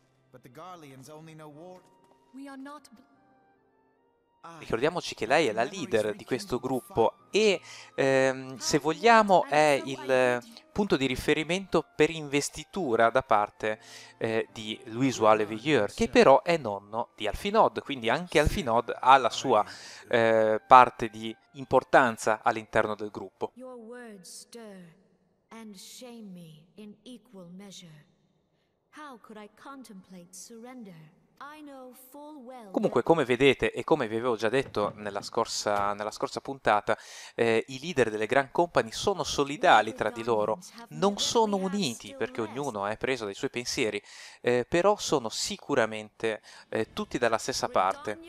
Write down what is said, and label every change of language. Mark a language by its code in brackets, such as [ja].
[en] But the Garleans only know war. We are not. [it] Ricordiamoci che lei è la leader di questo gruppo e, se vogliamo, è il punto di riferimento per investitura da parte di Louis Oliveyeur, che però è nonno di Alphinod, quindi anche Alphinod ha la sua parte di importanza all'interno del gruppo. [en] Your words stir and shame me in equal measure. How could I contemplate surrender? I know full well. [it] Comunque, come vedete e come vi avevo già detto nella scorsa puntata, i leader delle Grand Company sono solidali tra di loro, non sono uniti perché ognuno è preso dai suoi pensieri, però sono sicuramente tutti dalla stessa parte.